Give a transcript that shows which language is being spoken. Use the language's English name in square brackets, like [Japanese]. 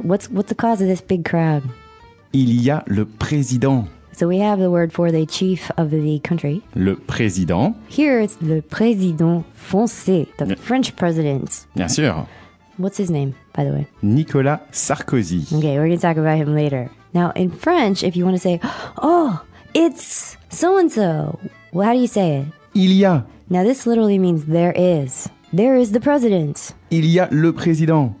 [English] What's the cause of this big crowd? [French] Il y a le président. [English] So we have the word for the chief of the country. [French] Le président. [English] Here it's [French] le président français, [English] the French president. [French] Bien sûr. [English] What's his name, by the way? Nicolas Sarkozy. Okay, we're going to talk about him later. Now, in French, if you want to say, oh, it's so-and-so, well, how do you say it? [French] Il y a. [English] Now, this literally means there is. There is the president. [French] Il y a le président.